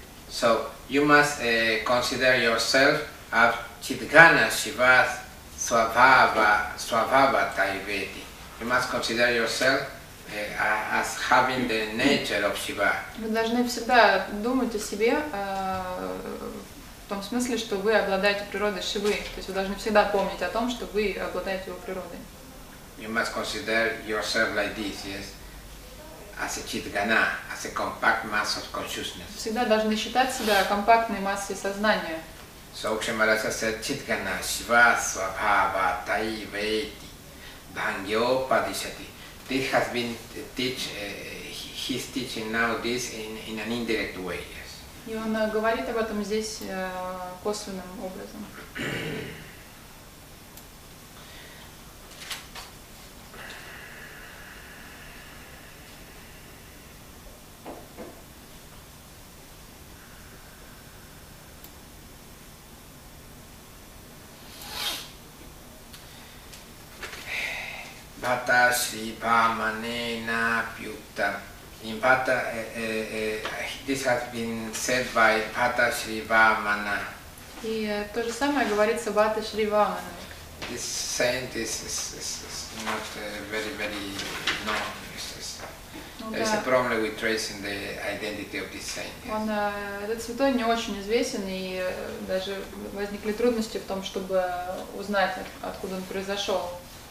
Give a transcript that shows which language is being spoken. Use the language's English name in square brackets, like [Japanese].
[English] So you must consider yourself as [Sanskrit] Chitgana Shiva Swabhava Taiveti. [English] You must consider yourself as having the nature of Shiva. [Russian] Вы должны всегда думать о себе в том смысле, что вы обладаете природой Шивы. То есть вы должны всегда помнить о том, что вы обладаете его природой. [English] You must consider yourself like this, yes. As a chitgana, as a compact mass of consciousness. [Russian] Всегда должны считать себя компактной массой сознания. [English] So Кшемараса said, [Sanskrit] chitgana, shiva, swabhava, tai, veti, bhangyo, padishati. [English] This has been he's teaching now this in an indirect way, yes. [Russian] И он говорит об этом здесь косвенным образом. [English] Thank you. [Sanskrit] Vata Sri Bhamanena Pyukta. [English] In Vata, this has been said by Vata Sri Bhamana. [Russian] И то же самое говорится Вата Шри Бхамана. [English] This saint is not very known. There's a problem with tracing the identity of this saint. Yes. [Russian] Он, этот святой не очень известен, и даже возникли трудности в том, чтобы узнать, откуда он произошел.